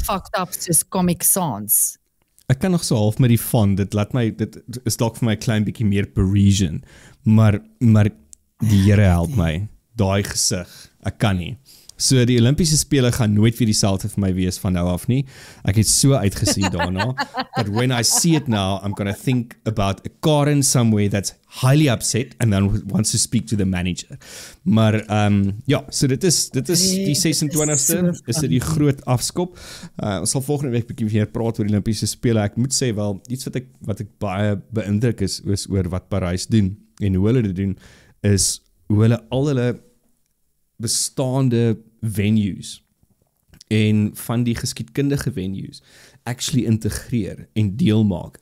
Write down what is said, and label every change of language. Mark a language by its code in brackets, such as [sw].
[en] Fucked up [af] soos Comic Sans. Ek kan nog so half met die font. Dit is dalk vir my 'n klein bietjie meer Parisian. Maar die Here help my, daai gesig, ek kan nie. So die Olimpiese Spele gaan nooit weer dieselfde vir my wees van nou af nie. Ek het so uitgesien daarna, [en] but when I see it now, I'm going to think about a Karen somewhere that's highly upset and then wants to speak to the manager. [af] Maar so dit is die 26ste, is dit die groot afskop. Ons sal volgende week bietjie meer praat oor die Olimpiese Spele. Ek moet sê wel, iets wat ek baie beïndruk is oor wat Parys doen. En hoe hulle dit doen, is hoe hulle al hulle bestaande venues en van die geskiedkundige venues actually integreer en deel maak.